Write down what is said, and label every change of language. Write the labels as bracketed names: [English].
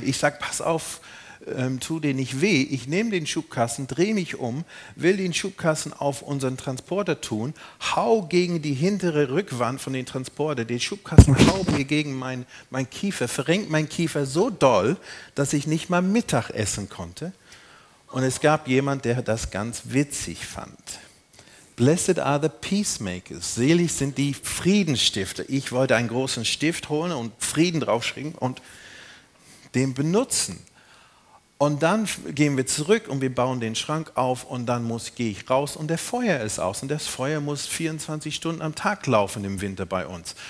[German] Ich sage, pass auf, tu dir nicht weh. Ich nehme den Schubkassen, drehe mich um, will den Schubkassen auf unseren Transporter tun, hau gegen die hintere Rückwand von dem Transporter, den Schubkassen hau mir gegen mein Kiefer, verrenkt mein Kiefer so doll, dass ich nicht mal Mittag essen konnte. Und es gab jemand, der das ganz witzig fand. [English] Blessed are the peacemakers. [German] Selig sind die Friedensstifter. Ich wollte einen großen Stift holen und Frieden draufschreiben und den benutzen. Und dann gehen wir zurück und wir bauen den Schrank auf und dann gehe ich raus und der Feuer ist aus. Und das Feuer muss 24 Stunden am Tag laufen im Winter bei uns.